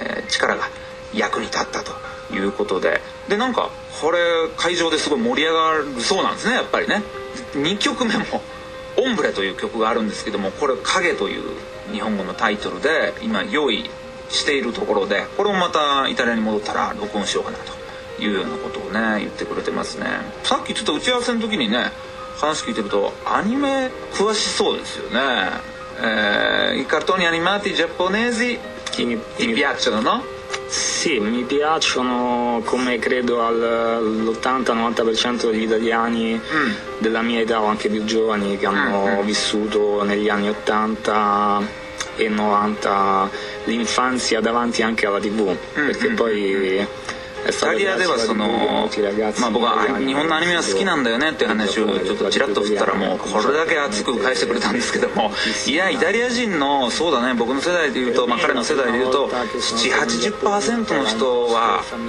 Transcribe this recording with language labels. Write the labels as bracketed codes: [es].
[ja] 力が役に立ったということで、でなんかこれ会場ですごい盛り上がるそうなんですね。やっぱりね2曲目もオンブレという曲があるんですけども、これ影という日本語のタイトルで今用意しているところで、これもまたイタリアに戻ったら録音しようかなというようなことをね言ってくれてますね。さっきちょっと打ち合わせの時にね話聞いてるとアニメ詳しそうですよね。 [it] i cartoni animati giapponesi ti piacciono no? Sì, mi piacciono come credo all'80-90% degli italiani della mia età o anche più giovani che hanno vissuto negli anni 80 e 90 l'infanzia davanti anche alla TV, perché poi [ja] イタリアではその、まあ、僕は日本のアニメは好きなんだよねっていう話をちょっとちらっと振ったらもうこれだけ熱く返してくれたんですけども、いやイタリア人のそうだね、僕の世代でいうと、まあ、彼の世代でいうと 70-80% の人は